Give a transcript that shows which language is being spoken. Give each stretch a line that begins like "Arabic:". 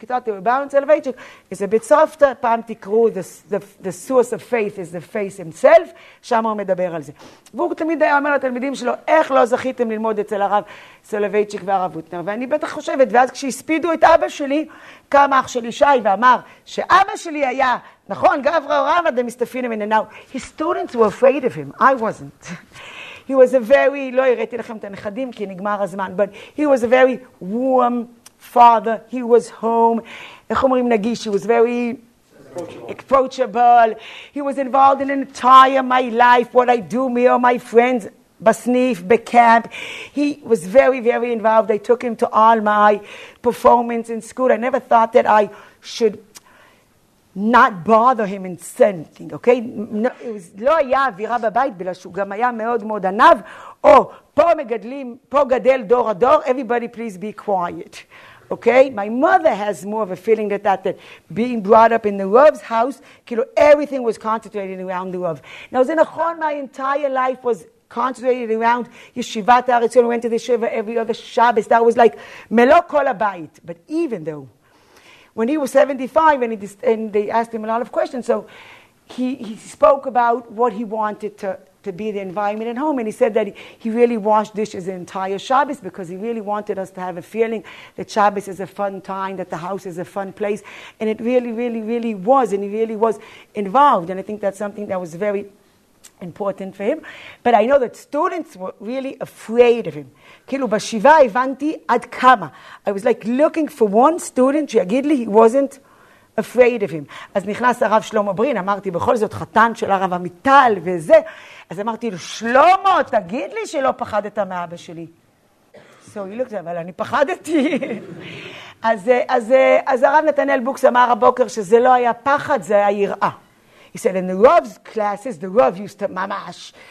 English: He thought that Rebaron Soloveitchik is a bit softer.
Hebrew: פעם תקראו,
English: the source of faith is the faith himself.
Hebrew: שם הוא מדבר על זה. והוא תמיד היה אומר לתלמידים שלו, איך לא זכיתם ללמוד אצל הרב סולובייצ'יק והרב הוטנר. ואני בטח חושבת, ואז כשהספידו את אבא שלי, קם אח של ישי ואמר שאבא שלי היה, נכון, גברה רבה דמסטפינה מיני.
English: Now, his students were afraid of him. I wasn't. He was a very,
Hebrew: לא הראיתי לכם את הנכדים כי נגמר הזמן,
English: but he was a very warm father. He was home.
Hebrew: איך אומרים נגיש?
English: He was very approachable. He was involved in an entire my life, what I do, me or my friends,
Hebrew: בסניף, בקאמפ.
English: He was very, very involved. I took him to all my performance in school. I never thought that I should not bother him in something, okay? No, it was,
Hebrew: לא היה אווירה בבית, בלא שהוא גם היה מאוד מאוד ענב, או פה מגדלים, פה גדל דור הדור,
English: everybody please be quiet, okay? My mother has more of a feeling that that being brought up in the Rav's house,
Hebrew: כאילו
English: everything was concentrated around the Rav. Now,
Hebrew: זה נכון,
English: my entire life was concentrated around Yeshivat HaAretz Zion, went to the Yeshiva every other Shabbos, that was like,
Hebrew: מלוא כל הבית,
English: but even though, when he was 75 and they asked him a lot of questions, so he spoke about what he wanted to be the environment at home, and he said that he really washed dishes the entire Shabbos because he really wanted us to have a feeling that Shabbos is a fun time, that the house is a fun place, and it really, really, really was, and he really was involved, and I think that's something that was very important for him. But I know that students were really afraid of him.
Hebrew: כאילו בשבעה הבנתי עד כמה.
English: I was like looking for one student
Hebrew: שיגיד לי
English: he wasn't afraid of him.
Hebrew: אז נכנס הרב שלמה ברין, אמרתי בכל זאת חתן של הרב עמיטל וזה. אז אמרתי לו, שלמה, תגיד לי שלא פחדת מאבא שלי.
English: So he looked,
Hebrew: אבל אני פחדתי. אז הרב נתנאל בוקס אמר הבוקר שזה לא היה פחד, זה היה יראה.
English: He said, in the Rav's classes, the Rav used to mamash.